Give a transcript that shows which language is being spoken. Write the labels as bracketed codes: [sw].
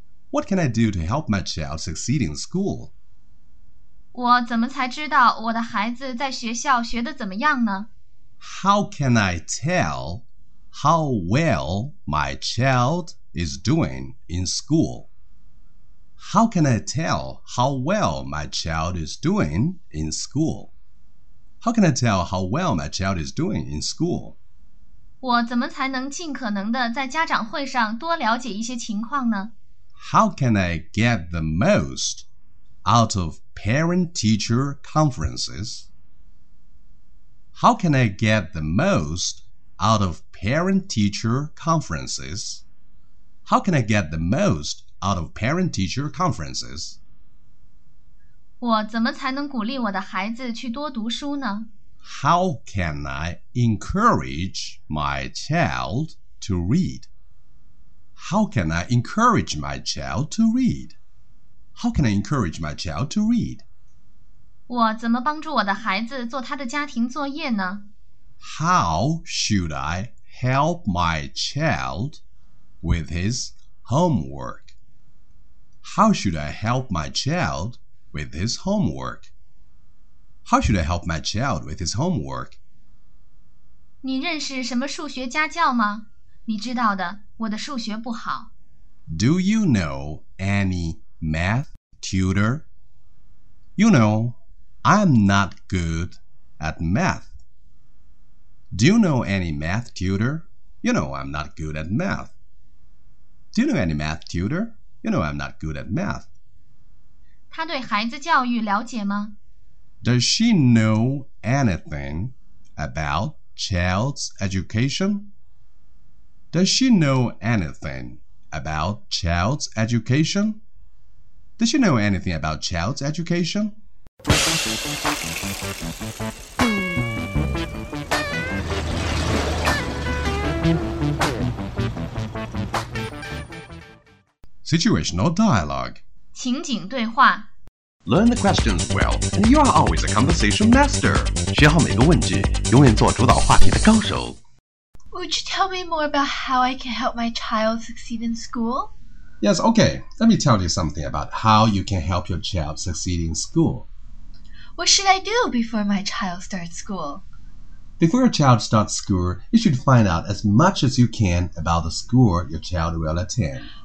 [en] What can I do to help my child succeed in school? [zh] 我怎么才知道我的孩子在学校学得怎么样呢？ [en] How can I tell how well my child is doing in school? How can I tell how well my child is doing in school? How can I tell how well my child is doing in school? [zh] 我怎么才能尽可能地在家长会上多了解一些情况呢？ [en] How can I get the most out of parent-teacher conferences? How can I get the most out of parent-teacher conferences? How can I get the most out of parent-teacher conferences? [zh] 我怎么才能鼓励我的孩子去多读书呢? [en] How can I encourage my child to read? How can I encourage my child to read? How can I encourage my child to read? [zh] 我怎么帮助我的孩子做他的家庭作业呢? [en] How should I help my child with his homework? How should I help my child with his homework? How should I help my child with his homework? [zh] 你认识什么数学家教吗?你知道的,我的数学不好。 [en] Do you know any math tutor? You know, I'm not good at math. Do you know any math tutor? You know, I'm not good at math. Do you know any math tutor? You know, I'm not good at math. [zh] 他对孩子教育了解吗? [en] Does she know anything about child's education? Does she know anything about child's education? Does she know anything about child's education? Situational dialogue. [zh] 情景对话 [en] Learn the questions well, and you are always a conversation master. [zh] 学好每个问句，永远做主导话题的高手。 [en] Would you tell me more about how I can help my child succeed in school? Yes, okay. Let me tell you something about how you can help your child succeed in school. What should I do before my child starts school? Before your child starts school, you should find out as much as you can about the school your child will attend.